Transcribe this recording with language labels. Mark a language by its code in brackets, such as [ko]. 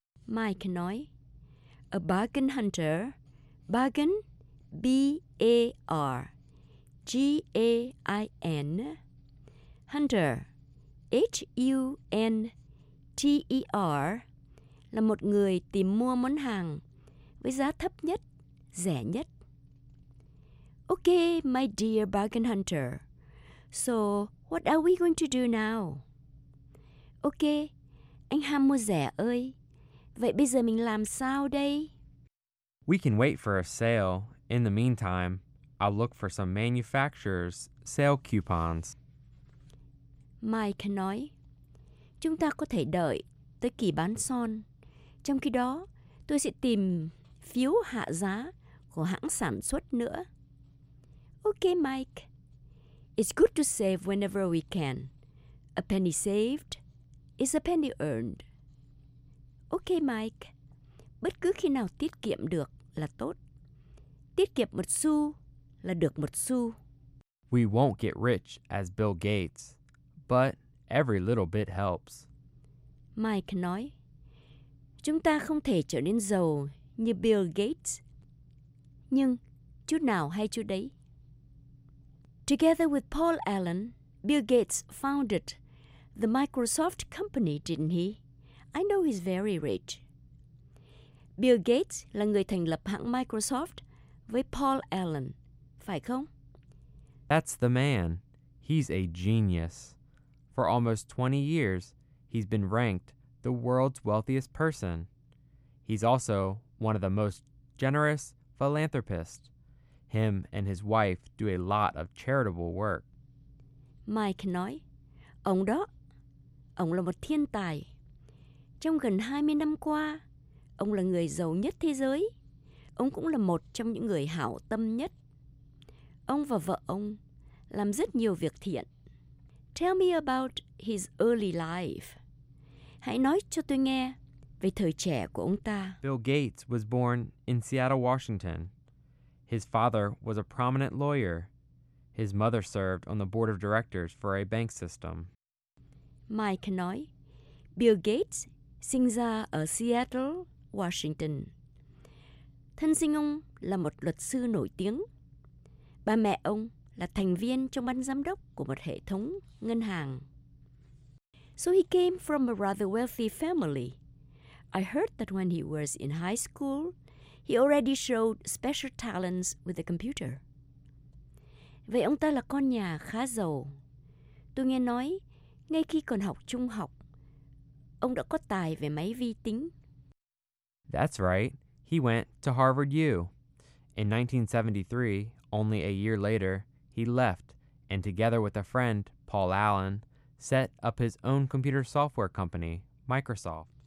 [vi] Mike nói, [en] a bargain hunter, bargain, B-A-R-G-A-I-N, hunter, H-U-N-T-E-R, [vi] là một người tìm mua món hàng với giá thấp nhất, rẻ nhất. [en] Okay, my dear bargain hunter. So, what are we going to do now? [vi] Okay, anh ham mua rẻ ơi. Vậy bây giờ mình làm sao đây? [en] We can wait for a sale. In the meantime, I'll look for some manufacturer's sale coupons. [vi] Mike nói, chúng ta có thể đợi tới kỳ bán son. Trong khi đó, tôi sẽ tìm phiếu hạ giá của hãng sản xuất nữa. [en] Okay, Mike. It's good to save whenever we can. A penny saved is a penny earned. Okay, Mike. [vi] Bất cứ khi nào tiết kiệm được là tốt. Tiết kiệm một xu là được một xu. [en] We won't get rich as Bill Gates, but every little bit helps. [vi] Mike nói, chúng ta không thể trở nên giàu như Bill Gates, nhưng chút nào hay chút đấy. [en] Together with Paul Allen, Bill Gates founded the Microsoft company, didn't he? I know he's very rich. [vi] Bill Gates là người thành lập hãng Microsoft với Paul Allen, phải không? [en] That's the man. He's a genius. For almost 20 years, he's been ranked the world's wealthiest person. He's also one of the most generous philanthropists. Him and his wife do a lot of charitable work. [vi] Mike nói, ông đó, ông là một thiên tài. Trong gần 20 năm qua, ông là người giàu nhất thế giới. Ông cũng là một trong những người hảo tâm nhất. Ông và vợ ông làm rất nhiều việc thiện. [en] Tell me about his early life. [vi] Hãy nói cho tôi nghe về thời trẻ của ông ta. [en] Bill Gates was born in Seattle, Washington. His father was a prominent lawyer. His mother served on the board of directors for a bank system. [vi] Mike nói, Bill Gates sinh ra ở Seattle, Washington. Thân sinh ông là một luật sư nổi tiếng. Ba mẹ ông là thành viên trong ban giám đốc của một hệ thống ngân hàng. [en] So he came from a rather wealthy family. I heard that when he was in high school, he already showed special talents with the computer. [vi] Vậy ông ta là con nhà khá giàu. Tôi nghe nói, ngay khi còn học trung học, ông đã có tài về máy vi tính. [en] That's right. He went to Harvard U. In 1973, only a year later, he left, and together with a friend, Paul Allen, set up his own computer software company, Microsoft.